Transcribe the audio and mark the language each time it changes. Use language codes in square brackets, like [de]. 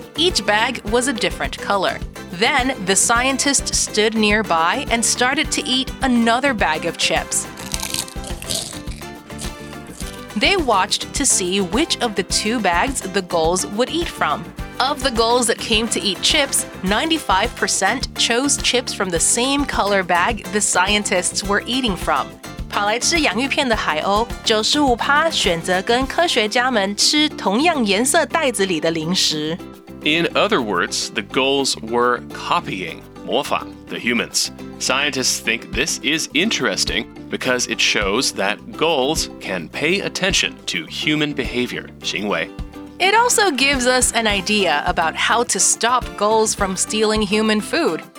[en] Each bag was a different color. Then the scientist stood nearby and started to eat another bag of chips. They watched to see which of the two bags the gulls would eat from. Of the gulls that came to eat chips, 95% chose chips from the same color bag the scientists were eating from. [zh] 跑来吃洋芋片的海鸥 95% 选择跟科学家们吃同样颜色袋子里的零食。 [en] In other words, the gulls were copying, 模仿, the humans. Scientists think this is interesting because it shows that gulls can pay attention to human behavior, 行为. It also gives us an idea about how to stop gulls from stealing human food.